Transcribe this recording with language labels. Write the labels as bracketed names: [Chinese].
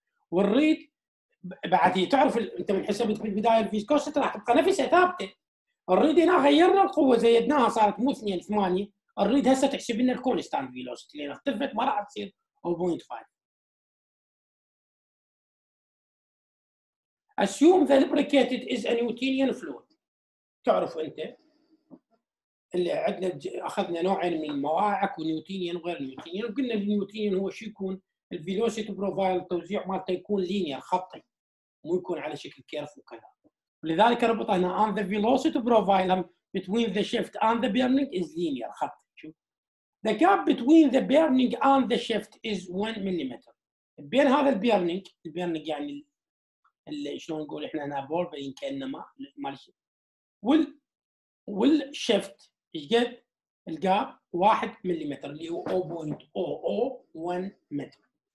[Arabic] والريد بعدين تعرف انت من حسبت في البداية الفيسكوسيتي راح تبقى نفسها ثابتة. الريد هنا غيرنا القوة زيدناها صارت مو 2 8 الريد هسه تحسب لنا الكونستانت فيلوسيتي لان اختفت ما راح تصير 0.5. [English] Assume the lubricated is a Newtonian fluid. [Arabic] تعرف انت اللي عندنا اخذنا نوعين من المواعك ونيوتينيان وغير نيوتينيان، وقلنا النيوتينيان هو شو يكون الفيلوسيتي بروفايل التوزيع مالته يكون لينير خطي مو يكون على شكل كيرف وكذا، ولذلك ربطه هنا on the velocity profile between the shift and the bearing is linear خطي. [English] شوف the gap between the bearing and the shift is 1 millimeter. [Arabic] بين هذا البيرنينج، البيرنينج يعني اللي شلون نقول احنا هنا بولبرين كانما مال شيء، والشفت ايش قد الجاب 1 مليمتر اللي هو 0.001 متر.